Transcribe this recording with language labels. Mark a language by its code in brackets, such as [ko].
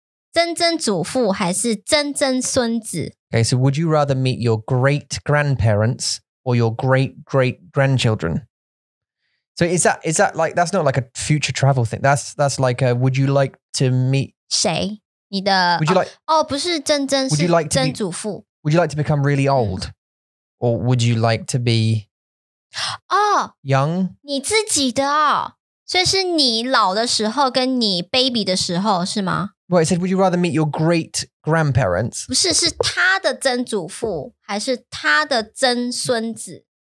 [zh] 你想要见你的曾曾祖父还是曾曾孙子? [en] Okay, so would you rather meet your great-grandparents or your great-great-grandchildren? So is that like, that's not like a future travel thing. That's like a, would you like to meet... [zh] 谁?你的... [en] Would you like... [zh] Oh, 不是真真, [en] would you like to be, would you like to become really old? Or would you like to be... Oh! Young? [zh] 你自己的哦!所以是你老的时候跟你baby的时候,是吗? [en] Well, it said, would you rather meet your great-grandparents? [zh] 不是,是他的曾祖父, 还是他的曾孙子?